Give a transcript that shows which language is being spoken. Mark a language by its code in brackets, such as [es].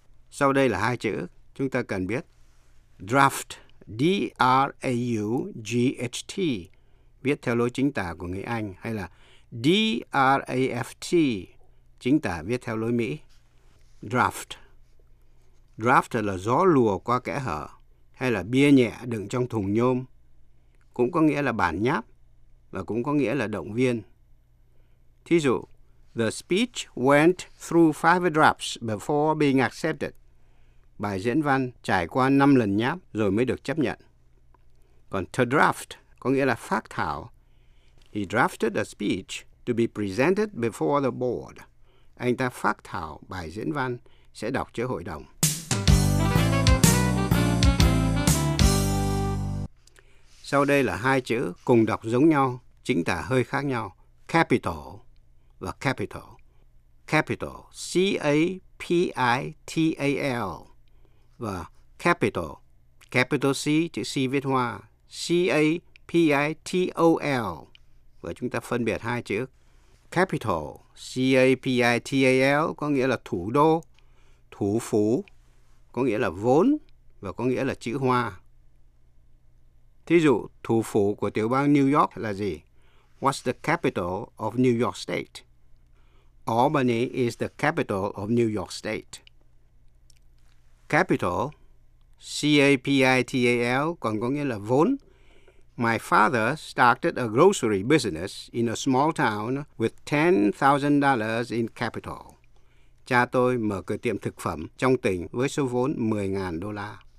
[vi] Sau đây là hai chữ chúng ta cần biết. Draft, D-R-A-U-G-H-T, viết theo lối chính tả của người Anh, hay là D-R-A-F-T, chính tả viết theo lối Mỹ. Draft. Draft là gió lùa qua kẽ hở, hay là bia nhẹ đựng trong thùng nhôm. Cũng có nghĩa là bản nháp, và cũng có nghĩa là động viên. Thí dụ, [en] The speech went through 5 drafts before being accepted. [vi] Bài diễn văn trải qua 5 lần nháp rồi mới được chấp nhận. Còn to draft có nghĩa là phác thảo. [en] He drafted a speech to be presented before the board. [vi] Anh ta phác thảo bài diễn văn sẽ đọc trước hội đồng. Sau đây là hai chữ cùng đọc giống nhau, chính tả hơi khác nhau. Capital. và [en] Capital. Capital, C-A-P-I-T-A-L. [vi] Và Capital, capital C, chữ C viết hoa, C-A-P-I-T-O-L. Và chúng ta phân biệt hai chữ. Capital, C-A-P-I-T-A-L, có nghĩa là thủ đô, thủ phủ, có nghĩa là vốn và có nghĩa là chữ hoa. Thí dụ, thủ phủ của tiểu bang New York là gì? [en] What's the capital of New York State? Albany is the capital of New York State. [vi] Capital, C-A-P-I-T-A-L, còn có nghĩa là vốn. [en] My father started a grocery business in a small town with $10,000 in capital. [vi] Cha tôi mở cửa tiệm thực phẩm trong tỉnh với số vốn $10,000.